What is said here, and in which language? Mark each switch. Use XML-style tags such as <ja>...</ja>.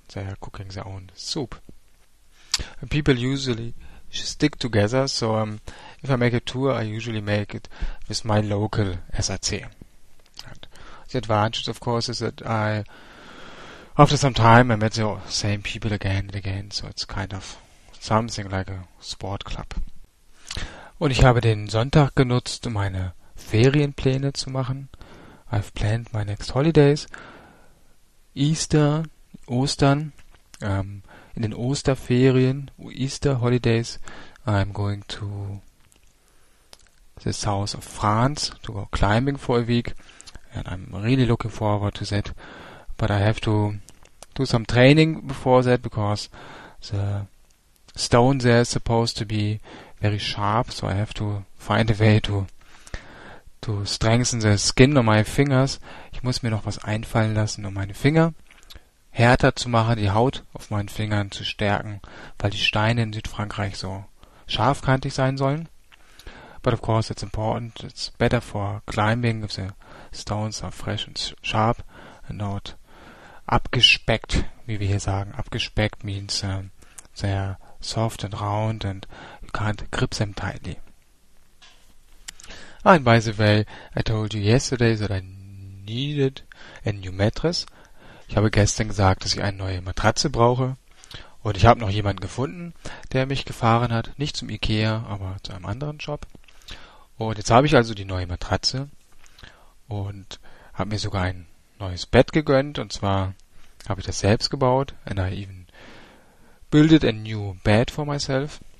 <en>They are cooking their own soup. And people usually stick together, so if I make a tour, I usually make it with my local SAC. And the advantage, of course, is that after some time, I met the same people again and again, so it's kind of something like a sport club.</en> <de>Und ich habe den Sonntag genutzt, um meine Ferienpläne zu machen.</de> <en>I've planned my next holidays. Easter, Ostern,</en> <de>in den Osterferien,</de> <en>Easter holidays, I'm going to the south of France to go climbing for a week. And I'm really looking forward to that. But I have to do some training before that, because the stone there is supposed to be very sharp, so I have to find a way to strengthen the skin on my fingers.</en> <de>Ich muss mir noch was einfallen lassen, um meine Finger härter zu machen, die Haut auf meinen Fingern zu stärken, weil die Steine in Südfrankreich so scharfkantig sein sollen.</de> <en>But of course it's important, it's better for climbing if the stones are fresh and sharp and not abgespeckt,</en> <de>wie wir hier sagen.</de> <en>Abgespeckt means sehr soft and round, and you can't grip them tightly. Ah, and by the way, I told you yesterday that I needed a new mattress.</en> <de>Ich habe gestern gesagt, dass ich eine neue Matratze brauche. Und ich habe noch jemanden gefunden, der mich gefahren hat. Nicht zum IKEA, aber zu einem anderen Shop. Und jetzt habe ich also die neue Matratze und habe mir sogar ein neues Bett gegönnt, und zwar habe ich das selbst gebaut,</de> <en>and I even built a new bed for myself.</en>